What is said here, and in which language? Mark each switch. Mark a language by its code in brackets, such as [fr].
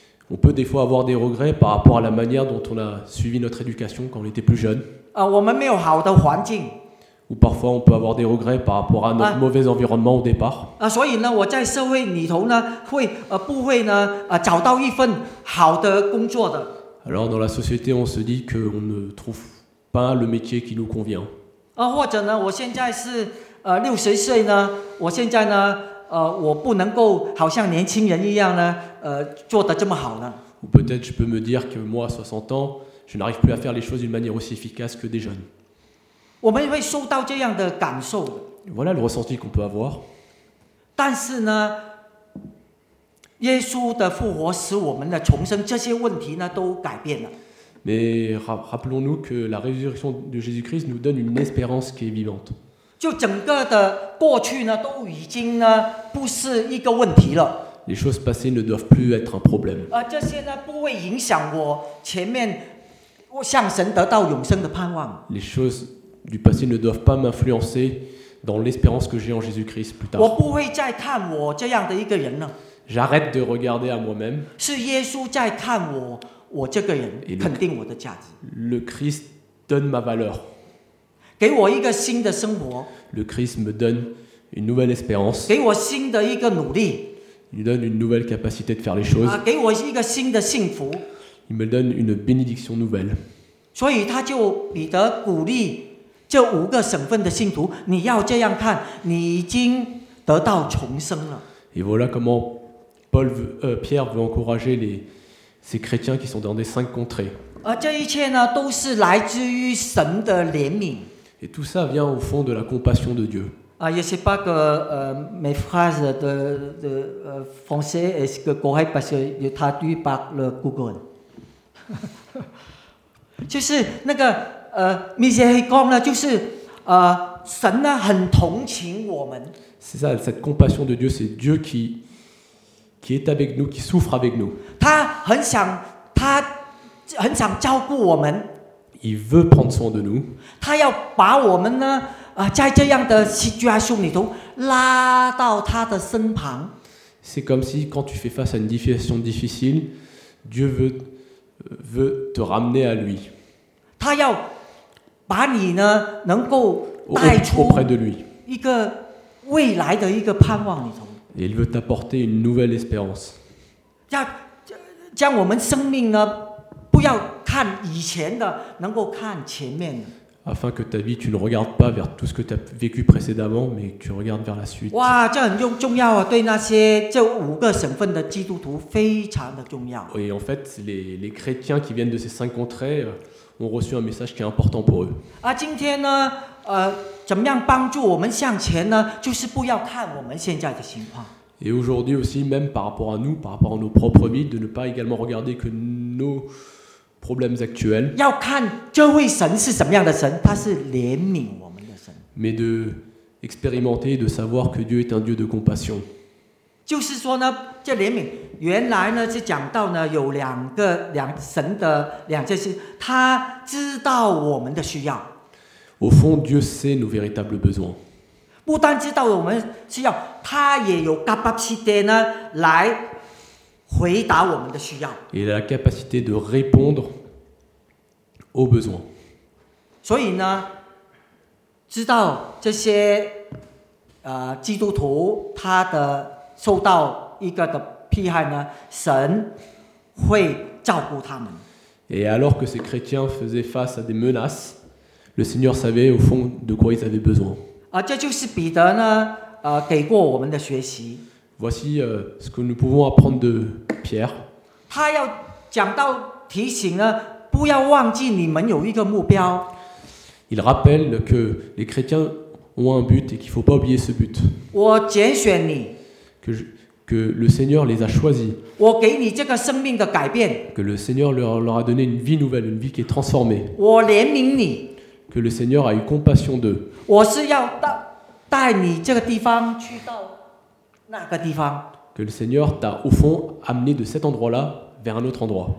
[fr] On peut des fois avoir des regrets par rapport à la manière dont on a suivi notre éducation quand on était plus jeune. [zh] 我们没有好的环境。 [fr] Ou parfois on peut avoir des regrets par rapport à notre mauvais environnement au départ. [zh] 所以呢，我在社会里头呢，会不会呢找到一份好的工作的 [fr] ？Alors dans la société, on se dit que on ne trouve pas le métier qui nous convient. [zh] 或者呢，我现在是六十岁呢，我现在呢。我不能够好像年轻人一样呢，做得这么好呢。 [fr] Ou peut-être je peux me dire que moi, à 60 ans, je n'arrive plus à faire les choses d'une manière aussi efficace que des jeunes. [zh] 我们会受到这样的感受。 [fr] Voilà le ressenti qu'on peut avoir. [zh] 但是呢，耶稣的复活使我们的重生这些问题呢都改变了。 [fr] Mais rappelons-nous que la résurrection de Jésus-Christ nous donne une espérance qui est vivante. [zh] 就整个的过去呢，都已经呢不是一个问题了。 [fr] Les choses passées ne doivent plus être un problème. [zh] 这些呢不会影响我前面我向神得到永生的盼望。 [fr] Les choses du passé ne doivent pas m'influencer dans l'espérance que j'ai en Jésus-Christ plus tard. [zh] 我不会再看我这样的一个人了。 [fr] J'arrête de regarder à moi-même. [zh] 是耶稣在看我这个人，肯定我的价值。 [fr] Le Christ donne ma valeur. [zh] 给我一个新的生活。 [fr] Le Christ me donne une nouvelle espérance. [zh] 给我新的一个努力。 [fr] Il donne une nouvelle capacité de faire les choses. [zh] 给我一个新的幸福。 [fr] Il me donne une bénédiction nouvelle. [zh] 所以他就彼得鼓励这五个省份的信徒，你要这样看，你已经得到重生了。 [fr] Et voilà comment Paul veut, Pierre veut encourager ces chrétiens qui sont dans des cinq contrées. [zh] 这一切呢，都是来自于神的怜悯。 [fr] Et tout ça vient au fond de la compassion de Dieu. Je sais pas que mes phrases de français est-ce que correct parce que je traduis par le Google. [zh] 就是那个miséricorde 呢，就是神呢很同情我们。 [fr] C'est ça, cette compassion de Dieu, c'est Dieu qui est avec nous, qui souffre avec nous. [zh] 他很想照顾我们。 [fr] Il veut prendre soin de nous. [zh] 他要把我们呢啊，在这样的 situation 里头拉到他的身旁。 [fr] C'est comme si quand tu fais face à une situation difficile, Dieu veut te ramener à lui. [zh] 他要把你呢能够带出 [fr] auprès de lui. [zh] 一个未来的一个盼望里头。 [fr] Et il veut t'apporter une nouvelle espérance. [zh] 要将我们生命呢不要看以前的，能够看前面的。 [fr] Afin que ta vie, tu ne regardes pas vers tout ce que tu as vécu précédemment, mais tu regardes vers la suite. [zh] 哇，这很重要啊！对那些这五个省份的基督徒非常的重要。 [fr] Et en fait, les chrétiens qui viennent de ces cinq contrées ont reçu un message qui est important pour eux. [zh] 啊，今天呢，怎么样帮助我们向前呢？就是不要看我们现在的情况。 [fr] Et aujourd'hui aussi, même par rapport à nous, par rapport à nos propres vies, de ne pas également regarder que nos problèmes actuels. [zh] 要看这位神是什么样的神，他是怜悯我们的神。 [fr] Mais de expérimenter, de savoir que Dieu est un Dieu de compassion. [zh] 就是说呢，这怜悯原来呢是讲到呢有两个两神的两件事，他知道我们的需要。 [fr] Au fond, Dieu sait nos véritables besoins. [zh] 不但知道我们需要，他也有 capacité 呢来。回答我们的需要。 [fr] Et la capacité de répondre aux besoins. [zh] 所以呢，知道这些基督徒他的受到一个的迫害呢，神会照顾他们。 [fr] Et alors que ces chrétiens faisaient face à des menaces, le Seigneur savait au fond de quoi ils avaient besoin. [zh] 啊，这就是彼得呢，给过我们的学习。 [fr] Voici ce que nous pouvons apprendre de Pierre. [zh] 他要讲到提醒呢，不要忘记你们有一个目标。 [fr] Il rappelle que les chrétiens ont un but et qu'il ne faut pas oublier ce but. [zh] 我拣选你。 [fr] Que le Seigneur les a choisis. [zh] 我给你这个生命的改变。 [fr] Que le Seigneur leur a donné une vie nouvelle, une vie qui est transformée. [zh] 我怜悯你。 [fr] Que le Seigneur a eu compassion d'eux. [zh] 我是要带你这个地方去到。那个地方 [fr] que le Seigneur t'a au fond amené de cet endroit-là vers un autre endroit.